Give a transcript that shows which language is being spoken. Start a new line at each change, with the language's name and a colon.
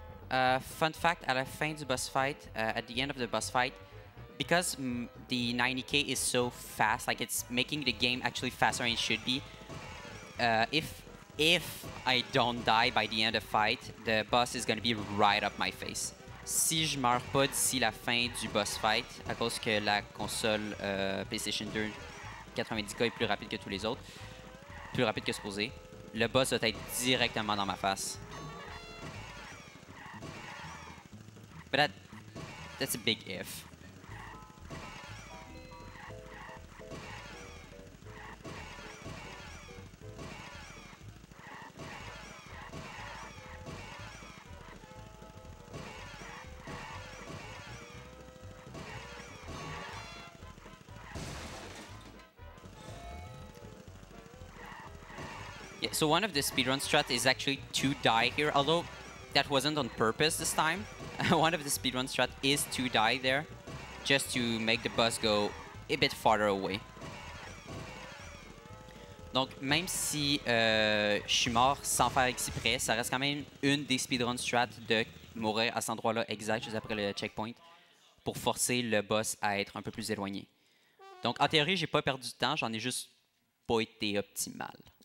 English: Fun fact,
French: à la fin du boss fight,
English: at the end of the boss fight, because the 90k is so fast, like it's making the game actually faster than it should be, if I don't die by the end of the fight, the boss is gonna be right up my face.
French: Si je meurs pas d'ici la fin du boss fight, à cause que la console PlayStation 2 90k est plus rapide que tous les autres, plus rapide que supposé, le boss doit être directement dans ma face.
English: But that's a big if. Yeah, so one of the speedrun strats is actually to die here, although that wasn't on purpose this time. One of the speedrun strats is to die there, just to make the bus go a bit farther away.
French: Donc, même si je suis mort sans faire exprès, ça reste quand même une des speedrun strats de mourir à cet endroit-là exact juste après le checkpoint pour forcer le boss à être un peu plus éloigné. Donc, en théorie, j'ai pas perdu de temps, j'en ai juste pas été optimal.